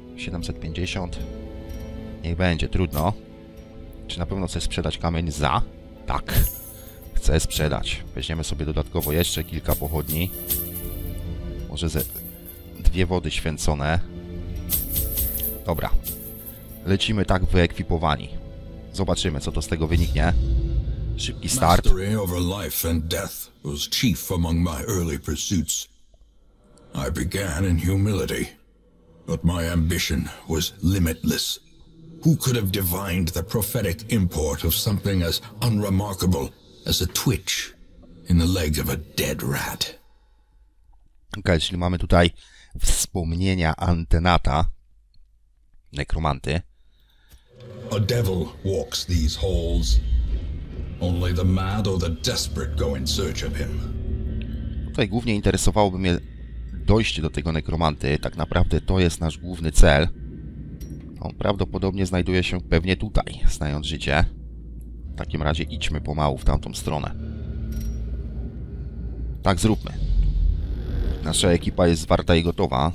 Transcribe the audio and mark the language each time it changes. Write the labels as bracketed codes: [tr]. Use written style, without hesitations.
[pl] 750. Niech będzie, trudno. Czy na pewno chcę sprzedać kamień za? Tak. Chcę sprzedać. Weźmiemy sobie dodatkowo jeszcze kilka pochodni. Może ze dwie wody święcone. Dobra. Lecimy tak wyekwipowani. Zobaczymy, co to z tego wyniknie. Szybki start. [en] Mastery over life and death was chief among my early pursuits. I began in humility, but my ambition was limitless. Who could have divined the prophetic import of something as unremarkable as a twitch in the leg of a dead rat? [pl] Okay, czyli mamy tutaj wspomnienia Antenata, nekromanty. [en] A devil walks these halls. Only the mad or the desperate go in search of him. [pl] Tutaj głównie interesowałoby mnie dojście do tego nekromanty. Tak naprawdę to jest nasz główny cel. On prawdopodobnie znajduje się pewnie tutaj, znając życie. W takim razie idźmy pomału w tamtą stronę. Tak, zróbmy. Nasza ekipa jest zwarta i gotowa.